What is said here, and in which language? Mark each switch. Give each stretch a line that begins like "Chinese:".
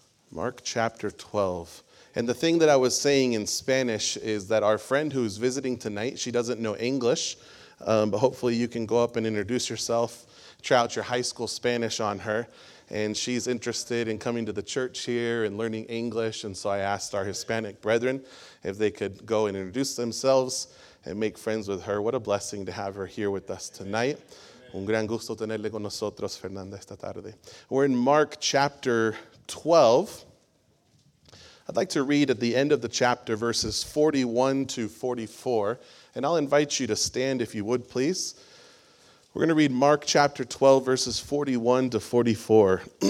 English: Mark chapter 12. And the thing that I was saying in Spanish is that our friend who is visiting tonight, she doesn't know English, but hopefully you can go up and introduce yourself, try out your high school Spanish on her. And she's interested in coming to the church here and learning English. And so I asked our Hispanic brethren if they could go and introduce themselves and make friends with her. What a blessing to have her here with us tonight.
Spanish: Un gran gusto tenerle con nosotros, Fernanda, esta tarde.
English: We're in Mark chapter 12. I'd like to read at the end of the chapter, verses 41 to 44. And I'll invite you to stand if you would, please. We're going to read Mark chapter 12, verses 41 to 44.